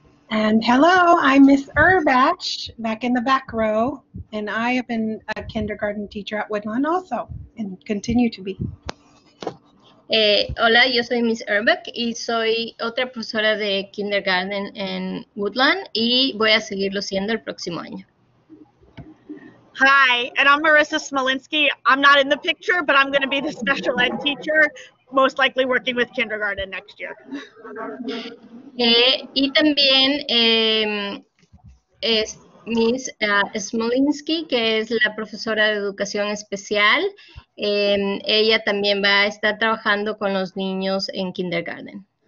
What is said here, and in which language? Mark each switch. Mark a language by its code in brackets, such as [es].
[en] And hello, I'm Miss Urbach, back in the back row, and I have been a kindergarten teacher at Woodlawn also, and continue to be. [es] Hola, yo soy Miss Urbach y soy otra profesora de kindergarten en Woodlawn y voy a seguirlo siendo el próximo año. [en] Hi, and I'm Marissa Smolinski. I'm not in the picture, but I'm going to be the special ed teacher, most likely working with kindergarten next year. [es] Y también es Miss Smolinski, que es la profesora de educación especial. Ella también va a estar trabajando con los niños en kindergarten.